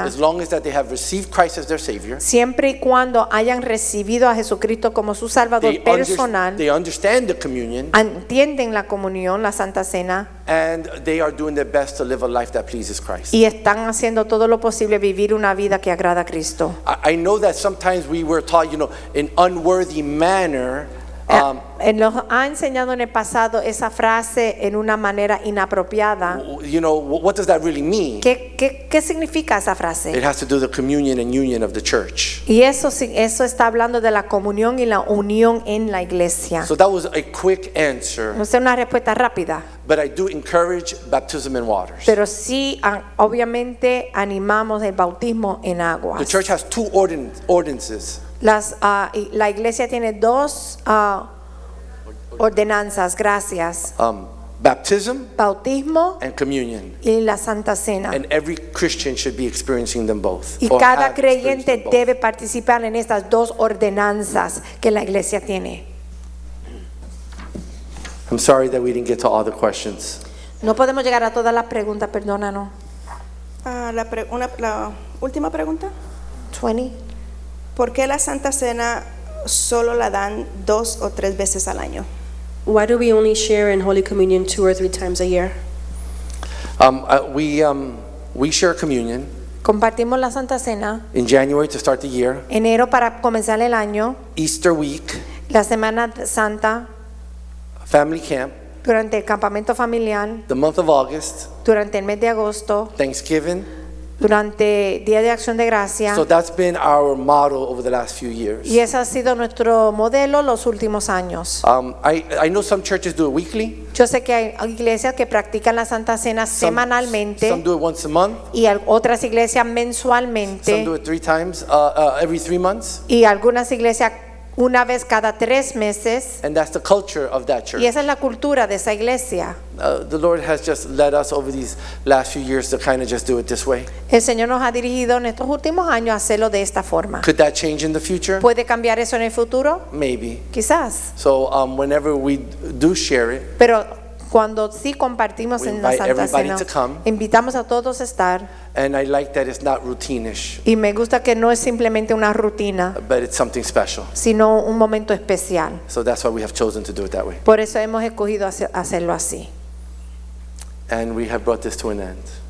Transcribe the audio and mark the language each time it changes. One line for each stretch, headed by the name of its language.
English: As long as that they have received Christ as their Savior.
Spanish: Siempre y cuando hayan recibido a Jesucristo como su Salvador personal.
English: They understand the communion.
Spanish: Entienden la comunión, la Santa Cena.
English: And they are doing their best to live a life that pleases Christ.
Spanish: Y están haciendo todo lo posible vivir una vida que agrada a Cristo.
English: I know that sometimes we were taught, you know, in unworthy manner.
Spanish: Nos ha enseñado en el pasado esa frase en una manera inapropiada.
English: You know, what does that really mean?
Spanish: ¿Qué significa esa frase?
English: It has to do with the communion and union of the church.
Spanish: Y eso está hablando de la comunión y la unión en la iglesia.
English: So that was a quick answer.
Spanish: No sé, una respuesta rápida.
English: But I do encourage baptism in waters.
Spanish: Pero sí, obviamente animamos el bautismo en aguas.
English: The church has two ordinances.
Spanish: La iglesia tiene dos ordenanzas, gracias.
English: Baptism,
Spanish: bautismo,
English: and communion,
Spanish: y la Santa Cena.
English: And every Christian should be experiencing them both.
Spanish: Y cada creyente debe participar en estas dos ordenanzas que la iglesia tiene.
English: I'm sorry that we didn't get to all the questions.
Spanish: No podemos llegar a todas las preguntas, perdónanos. La última pregunta. 20. ¿Por qué la Santa Cena solo la dan dos o tres veces al año?
English: Why do we only share in Holy Communion two or three times a year? We share communion.
Spanish: Compartimos la Santa Cena.
English: In January to start the year.
Spanish: Enero para comenzar el año.
English: Easter week.
Spanish: La Semana Santa.
English: Family camp.
Spanish: Durante el campamento familiar.
English: The month of August.
Spanish: Durante el mes de agosto.
English: Thanksgiving.
Spanish: Durante Día de Acción de Gracia.
English: So that's been our model over the last few years.
Spanish: Y ese ha sido nuestro modelo los últimos años.
English: I know some churches do it weekly.
Spanish: Yo sé que hay iglesias que practican la Santa Cena semanalmente.
English: Some do it once a month.
Spanish: Y otras iglesias mensualmente.
English: Some do it three times, every three months.
Spanish: Y algunas iglesias una vez cada tres meses.
English: And that's the culture of that church.
Spanish: Y esa es la cultura de esa iglesia.
English: The Lord has just led us over these last few years to kind of just do it this way.
Spanish: El Señor nos ha dirigido en estos últimos años a hacerlo de esta forma.
English: Could that change in the future?
Spanish: ¿Puede cambiar eso en el futuro?
English: Maybe.
Spanish: Quizás.
English: So whenever we do share it,
Spanish: pero cuando sí compartimos en la Santa
English: everybody
Spanish: Cena,
English: to come.
Spanish: Invitamos a todos a estar.
English: And I like that it's not routine-ish.
Spanish: Y me gusta que no es simplemente una rutina,
English: but it's something special.
Spanish: Sino un momento especial.
English: So that's why we have chosen to do it that way.
Spanish: Por eso hemos escogido hacerlo así.
English: And we have brought this to an end.